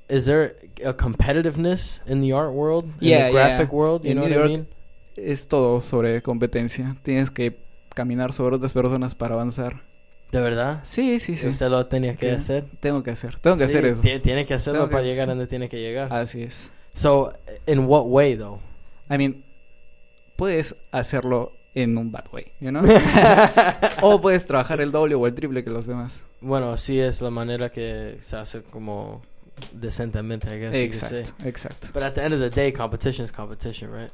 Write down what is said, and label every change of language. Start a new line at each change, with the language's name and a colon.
English: Is there a competitiveness in the art world? In the graphic world? You know what I mean?
Spanish: Es todo sobre competencia. Tienes que caminar sobre otras personas para avanzar. ¿De verdad? Sí. ¿Usted lo tenía que hacer? Tengo que hacer eso. Tiene que hacerlo para llegar donde tiene que llegar. Así es.
English: So, in what way, though? I mean,
Spanish: puedes hacerlo en un
English: bad way, you know?
Spanish: O puedes trabajar el doble o el triple que los demás. Bueno, sí es la manera que se hace como decentemente,
English: I guess.
Spanish: Exacto.
English: But at the end of the day, competition is competition, right?